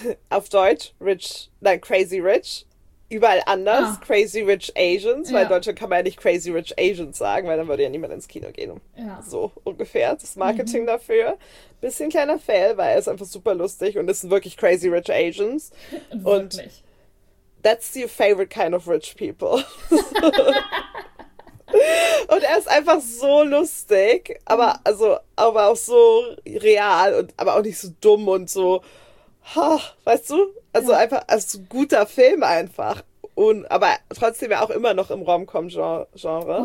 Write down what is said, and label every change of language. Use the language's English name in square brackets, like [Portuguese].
[German] Auf Deutsch Rich, nein, Crazy Rich, überall anders, Ah, Crazy Rich Asians, weil in Deutschland kann man ja nicht Crazy Rich Asians sagen, weil dann würde ja niemand ins Kino gehen. So ungefähr das Marketing dafür. Bisschen kleiner Fail, weil es einfach super lustig und es sind wirklich Crazy Rich Asians. Und Wirklich. [English] that's your favorite kind of rich people. [German] Und er ist einfach so lustig, aber also aber auch so real und aber auch nicht so dumm und so, ha, weißt du? Also Ja. einfach als guter Film einfach und aber trotzdem ja auch immer noch im Rom-Com-Genre.